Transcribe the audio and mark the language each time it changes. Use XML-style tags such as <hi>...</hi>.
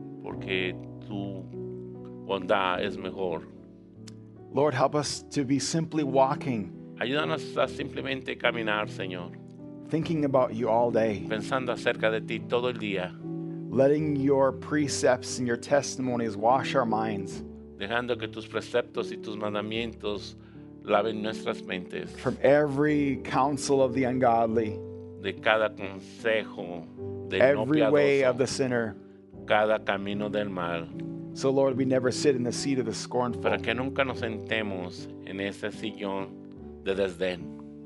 <es>Porque tu bondad es mejor.</es> <en>Lord, help us to be simply walking.</en> <es>Ayúdanos a simplemente caminar, Señor.</es> <en>Thinking about you all day.</en> <es>Pensando acerca de ti todo el día.</es> <en>Letting your precepts and your testimonies wash our minds.</en> <es>Dejando que tus preceptos y tus mandamientos laven nuestras mentes.</es> <en>From every counsel of the ungodly.</en> <es>De cada consejo del no piadoso.</es> <en>Every way of the sinner.</en> <es>Cada camino del mal.</es> <en>So Lord, we never sit in the seat of the scornful.</en> <es>Para que nunca nos sentemos en ese sillón de desdén.</es>